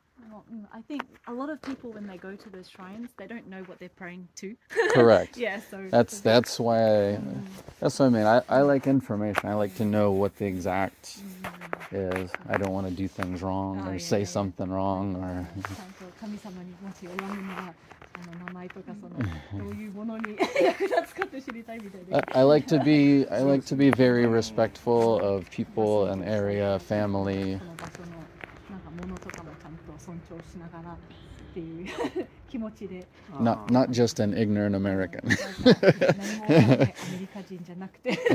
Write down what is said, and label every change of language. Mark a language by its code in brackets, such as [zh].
[en] Well, I think a lot of people when they go to the shrines, they don't know what they're praying to. Correct. Yeah. So that's why that's what I mean. I like information. I like to know what the exact is. I don't want to do things wrong or say something wrong or. [ja] 神様にもし拝むなら、あの名前とかそのどういうものに役立つかって知りたいみたいです。 [en] I like to be very respectful of people and area, family. [ja] その場所のなんか物とかもちゃんと尊重しながらっていう気持ちで。 [en] Not just an ignorant American. [ja] 何もアメリカ人じゃなくて。